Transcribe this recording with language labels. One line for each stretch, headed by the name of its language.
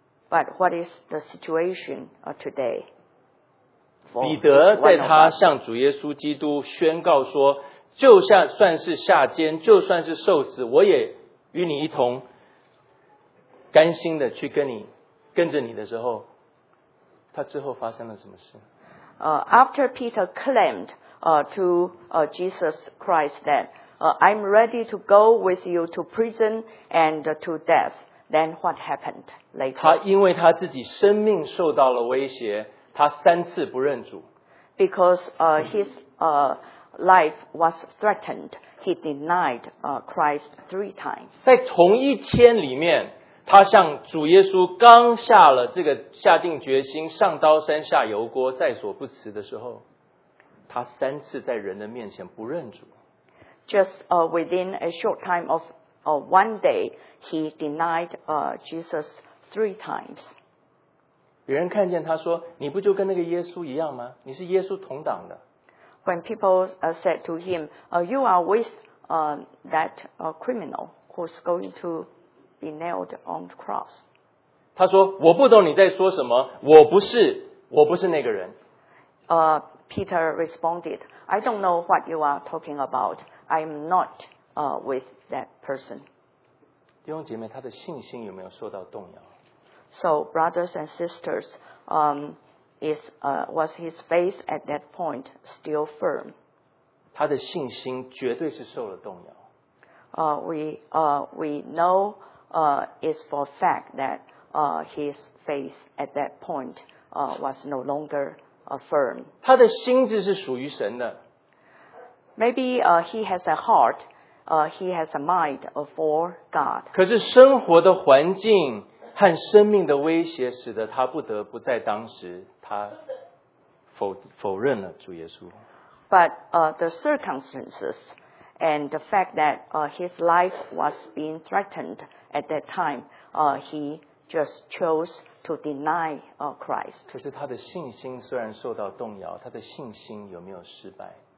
English: But what is the situation today?
Chinese: 彼得在他向主耶稣基督宣告说，就像算是下监，就算是受死，我也与你一同甘心的去跟你跟着你的时候，他之后发生了什么事？
English: After Peter claimed to Jesus Christ that I'm ready to go with you to prison and to death, then what happened later?
Chinese: 他因为他自己生命受到了威胁，他三次不认主。
English: Because his life was threatened, he denied Christ three times.
Chinese: 在同一天里面，他向主耶稣刚下了这个下定决心，上刀山下油锅，在所不辞的时候，他三次在人的面前不认主。
English: Just within a short time of one day, he denied Jesus three times.
Chinese: 别人看见他说，你不就跟那个耶稣一样吗？你是耶稣同党的。
English: When people said to him, you are with that criminal who's going to be nailed on the cross.
Chinese: 他说，我不懂你在说什么，我不是那个人。
English: Peter responded, I don't know what you are talking about. I'm not with that person.
Chinese: 弟兄姐妹，他的信心有没有受到动摇？
English: So, brothers and sisters, was his faith at that point still firm?
Chinese: 他的信心绝对是受了动摇。
English: We know it's for a fact that his faith at that point was no longer firm.
Chinese: 他的心智是属于神的。
English: Maybe he has a heart, he has a mind for God.
Chinese: 可是生活的环境和生命的威胁使得他不得不在当时他 否认了主耶稣。
English: But the circumstances and the fact that his life was being threatened at that time, he just chose to deny Christ.
Chinese: 可是他的信心虽然受到动摇，他的信心有没有失败？